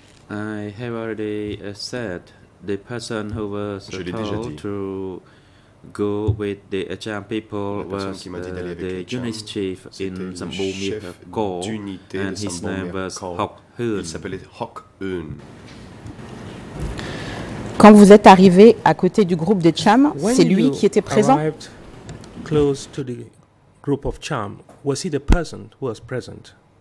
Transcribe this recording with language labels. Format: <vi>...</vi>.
<en>I have already said the person who was told to go with the Cham people was the unit chief in Sambomirko, and his name was Hock Hoon.</en> <fr>Il s'appelait Hock Hoon. Quand vous êtes arrivé à côté du groupe des Cham, c'est lui qui était présent?</fr> <en>When you arrived close to the group of Cham, was he the person who was present?</en>